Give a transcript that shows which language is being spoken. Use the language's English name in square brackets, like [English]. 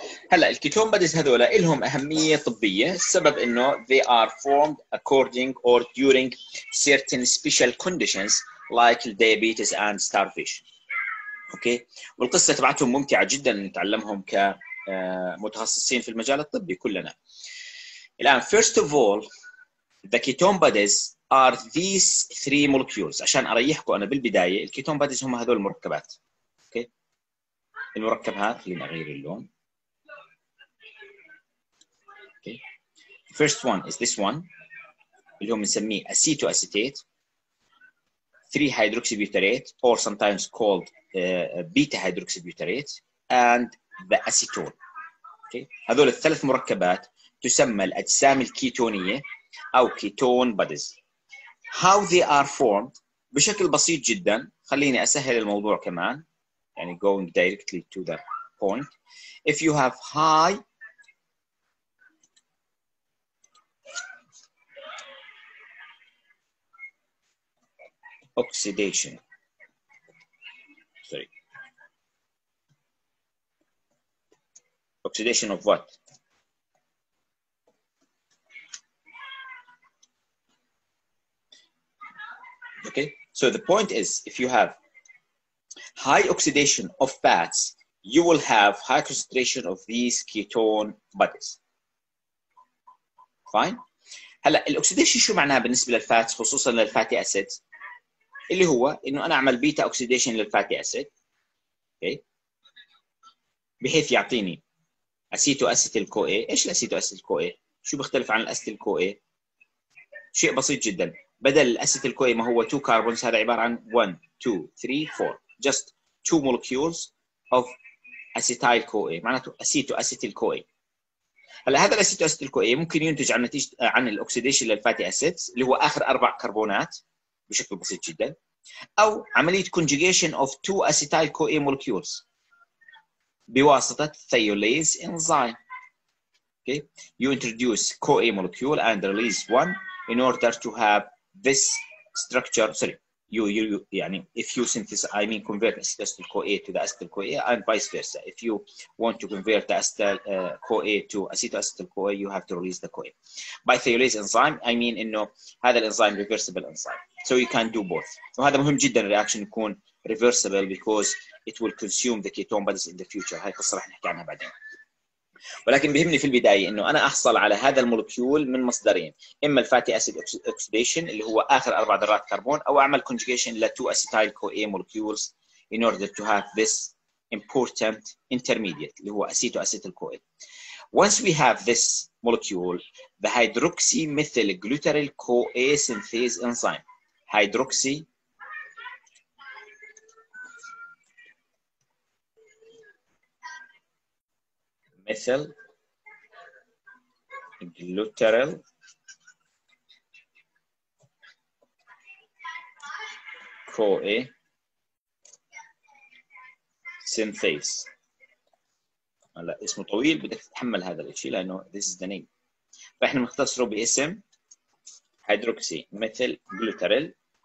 [Arabic] هلا الكيتون بوديز هذولا لهم اهميه طبيه, السبب انه [English] they are formed according or during certain special conditions like diabetes and starvation. [Arabic] اوكي والقصه تبعتهم ممتعه جدا نتعلمهم كمتخصصين في المجال الطبي كلنا. الان [English] first of all the ketone bodies are these three molecules. [Arabic] عشان اريحكم انا بالبدايه, الكيتون بوديز هم هذول المركبات. اوكي المركبات, خلينا نغير اللون. [English] First one is this one, [Arabic] اللي هو بنسميه [English] acetoacetate, 3 hydroxybutyrate, or sometimes called beta hydroxybutyrate, and the acetone. Okay. [Arabic] هذول الثلاث مركبات تسمى الأجسام الكيتونية أو ketone bodies. [English] How they are formed, [Arabic] بشكل بسيط جدا, خليني أسهل الموضوع كمان, يعني [English] going directly to the point. If you have high oxidation, sorry, oxidation of what? Okay, so the point is if you have high oxidation of fats, you will have high concentration of these ketone bodies. Fine. [Arabic] هلا الاكسديشن شو معناها بالنسبه للفاتس خصوصا للفاتي اسيدز؟ اللي هو انه انا اعمل بيتا اوكسيديشن للفاتي اسيد, اوكي, بحيث يعطيني اسيتو اسيتيل كو اي. ايش الاسيتو اسيتيل كو اي؟ شو بيختلف عن الاسيتيل كو اي؟ شيء بسيط جدا, بدل الاسيتيل كو اي ما هو 2 كاربونز, هذا عباره عن 1 2 3 4, جاست 2 مولكيولز اوف اسيتيل كو اي, معناته اسيتو اسيتيل كو اي. هلا هذا الاسيتو اسيتيل كو اي ممكن ينتج عن نتيجه عن الاوكسيديشن للفاتي اسيدز اللي هو اخر اربع كربونات بشكل بسيط جدا, او عمليه [English] conjugation of two acetyl CoA molecules [Arabic] بواسطه thiolase enzyme. [English] Okay, you introduce CoA molecule and release one in order to have this structure. Sorry, you [Arabic] يعني [English] if you synthesize, I mean convert acetyl CoA to the acetyl CoA and vice versa. If you want to convert the acetyl CoA to acetoacetyl CoA, you have to release the CoA by thiolase enzyme. I mean [Arabic] انه هذا الانزيم [English] reversible enzyme. So you can do both. [Arabic] وهذا مهم جدا الرياكشن يكون [English] reversible because it will consume the ketone bodies in the future. [Arabic] هاي قصة رح نحكي عنها بعدين. ولكن بهمني في البداية انه انا احصل على هذا المولكيول من مصدرين, اما الفاتي اسيد اوكسيديشن اللي هو اخر اربع ذرات كربون, او اعمل [English] conjugation [Arabic] ل [English] 2 acetyl CoA molecules in order to have this important intermediate [Arabic] اللي هو acetoacetyl CoA. [English] Once we have this molecule, the hydroxymethyl glutaryl CoA synthase enzyme, hydroxy methyl glutaryl CoA synthase. [Arabic] هلا اسمه طويل بدك تتحمل هذا الشيء لانه [English] this is the name, [Arabic] فاحنا بنختصره باسم هيدروكسي ميثيل جلوتاريل